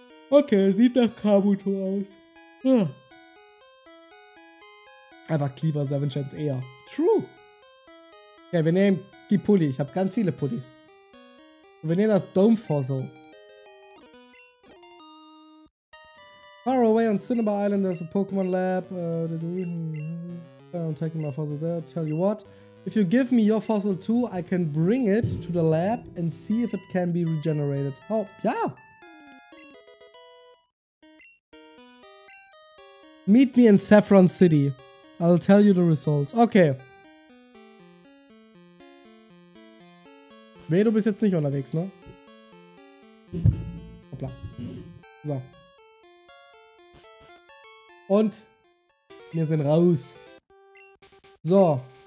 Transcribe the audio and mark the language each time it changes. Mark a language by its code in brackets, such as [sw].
[de] Okay, sieht nach Kabuto aus. Ja. Einfach lieber Seven Chance eher. True. Okay, wir nehmen die Pulli. Ich habe ganz viele Pullis. Und wir nehmen das Dome Fossil. [en] Far away on Cinnabar Island, there's a Pokemon Lab. I'm taking my fossil there, tell you what. If you give me your fossil too, I can bring it to the lab and see if it can be regenerated. [de] Oh, ja! [en] Meet me in Saffron City. I'll tell you the results. [de] Okay. Weh, du bist jetzt nicht unterwegs, ne? Hoppla. So. Und wir sind raus. So.